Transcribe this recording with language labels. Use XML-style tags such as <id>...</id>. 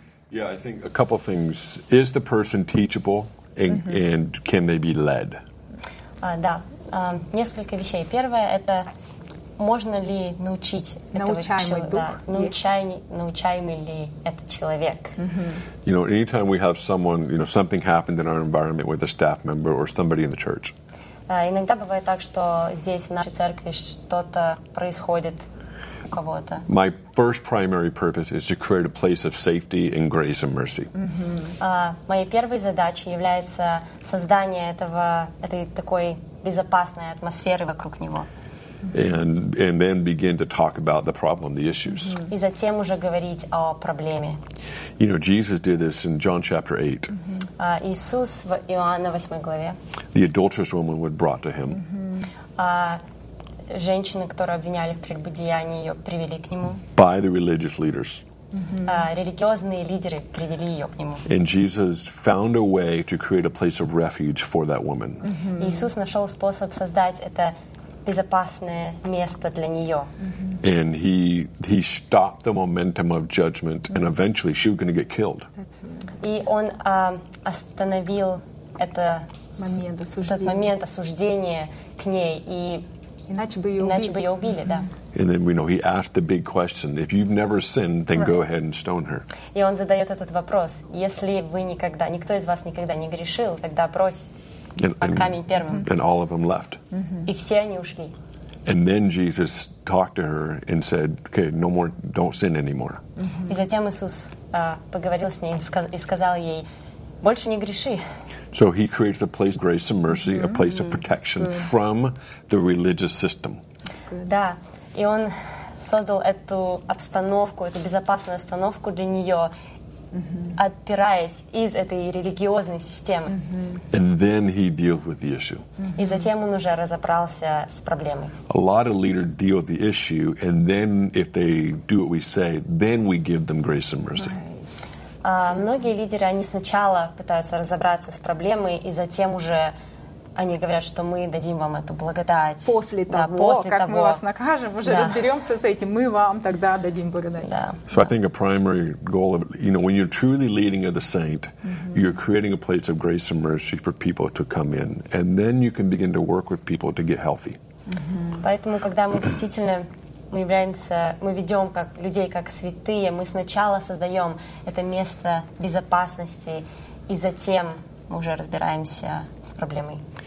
<en>Yeah, I think a couple of things. Is the person teachable and can they be led?</en> <ru>Да, несколько вещей. Первое — это можно ли научить научаемый ли этот человек? Mm-hmm.</ru> <en>You know, anytime we have someone, you know, something happened in our environment with a staff member or somebody in the church.</en> <ru>Иногда бывает так, что здесь в нашей церкви что-то происходит у кого-то.</ru> <en>My first primary purpose is to create a place of safety and grace and mercy.</en> <ru>Моей первой задачей является создание этого этой такой безопасной атмосферы вокруг него.</ru> <en>And then begin to talk about the problem, the issues.</en> <ru>И затем уже говорить о проблеме.</ru> <en>You know, Jesus did this in John chapter 8.</en> <ru>Иисус в Иоанна 8 главе.</ru> <en>The adulterous woman was brought to him.</en> <ru>Женщина, которую обвиняли в прелюбодеянии, ее привели к нему.</ru> <en>By the religious leaders.</en> <ru>Религиозные лидеры привели ее к нему.</ru> <en>And Jesus found a way to create a place of refuge for that woman.</en> <ru>Иисус нашел способ создать это безопасное место для нее.</ru> <en>And he stopped the momentum of judgment, and eventually she was going to get killed.</en> <ru>И он остановил это этот момент осуждения к ней, и иначе бы ее убили, да.</ru> <en>And then, you know, he asked the big question: if you've never sinned, then go ahead and stone her.</en> <ru>И он задает этот вопрос: если вы никогда, никто из вас никогда не грешил, тогда брось.</ru> <en>And all of them left.</en> <ru>И все они ушли.</ru> <en>And then Jesus talked to her and said, "Okay, no more, don't sin anymore."</en> <ru>И затем Иисус поговорил с ней и сказал ей: больше не греши.</ru> <en>So he creates a place of grace and mercy, a place of protection from the religious system.</en> <ru>Да, и он создал эту обстановку, эту безопасную обстановку для нее. Отпираясь из этой религиозной системы.</ru> <en>And then he deals with the issue.</en> <ru>И затем он уже разобрался с проблемой.</ru> <en>A lot of leaders deal with the issue, and then if they do what we say, then we give them grace and mercy.</en> <ru>Многие лидеры, они сначала пытаются разобраться с проблемой, и затем уже они говорят, что мы дадим вам эту благодать. После того, как мы вас накажем, уже разберемся с этим, мы вам тогда дадим благодать.</ru> <en>So I think a primary goal of, you know, when you're truly leading of the saint, you're creating a place of grace and mercy for people to come in. And then you can begin to work with people to get healthy.</en> <ru>Поэтому, когда мы действительно мы ведем как людей как святые, мы сначала создаем это место безопасности, и затем мы уже разбираемся с проблемой.</ru>